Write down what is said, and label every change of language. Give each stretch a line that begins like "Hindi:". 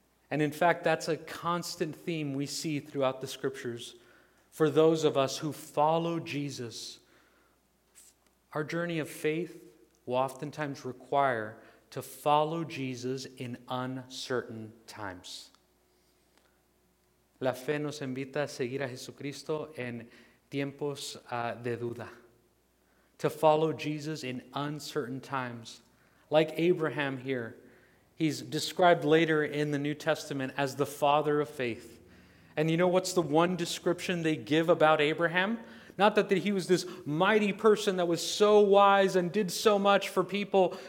English: And in fact, that's a constant theme we see throughout the scriptures. For those of us who follow Jesus, our journey of faith will oftentimes require to follow Jesus in uncertain times.
Spanish: La fe nos invita a seguir a Jesucristo en tiempos de duda.
English: To follow Jesus in uncertain times. Like Abraham here, he's described later in the New Testament as the father of faith. And you know what's the one description they give about Abraham? Not that he was this mighty person that was so wise and did so much for people.